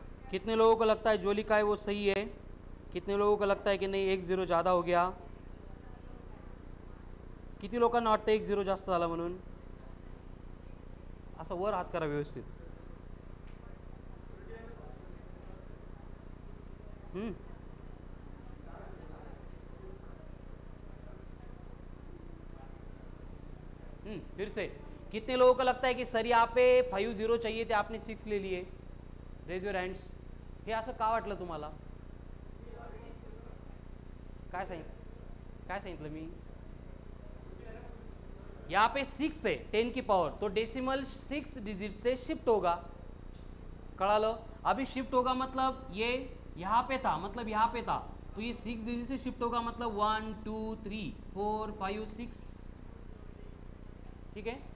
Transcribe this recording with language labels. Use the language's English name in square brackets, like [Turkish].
[Hindi] कितने लोगों को लगता है जोली का है वो सही है? कितने लोगों को लगता है कि नहीं 1-0 ज़्यादा हो गया? [Marathi] किती लोकांना वाटतं 1-0 जास्त झाला म्हणून? असं वर हात करा व्यवस्थित। [Hindi] फिर से, कितने लोगों को लगता है कि सर यहाँ पे 5-0 चाहिए थे, आपने 6 ले लिए? [English] Raise your hands. [Marathi] हे असं का वाटलं तुम्हाला? काय सांग, काय सांगितलं मी? [Hindi] यहाँ पे 6 है, 10 की पावर, तो डेसिमल 6 डिजिट से शिफ्ट होगा, कड़ा लो। अभी शिफ्ट होगा मतलब ये यहाँ पे था, मतलब यहाँ पे था, तो ये 6 डिजिट से शिफ्ट होगा, मतलब 1, 2, 3, 4, 5, 6, ठीक है?